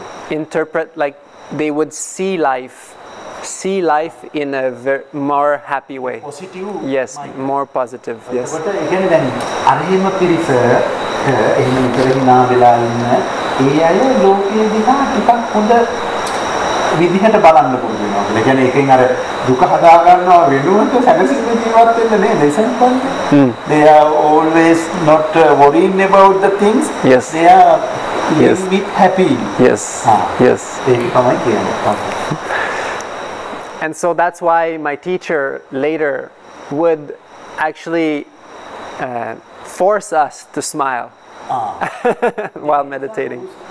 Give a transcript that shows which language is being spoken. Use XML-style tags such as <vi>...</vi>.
<en>Interpret like they would see life in a more happy way. Positive? Yes, more positive, yes. But again then, arhima pirisa,</en> <si>එහෙම ඉතරිනා වෙලා ඉන්න ඒ අය ලෝකයේ දිහා ටිකක් හොඳ විදිහට බලන්න පුළුවන් වෙනවා. ඒ කියන්නේ එකෙන් අර දුක හදා ගන්නවා වෙනුවට සැනසෙන්න ජීවත් වෙන්න නේද? එසෙන්ට් බන්.</si> <en>They are always not worrying about the things. Yes. They are yes. be happy. Yes. Yes.</en> <si>ඒක තමයි කියන්නේ.</si> <en>And so that's why my teacher later would actually force us to smile while meditating.</en>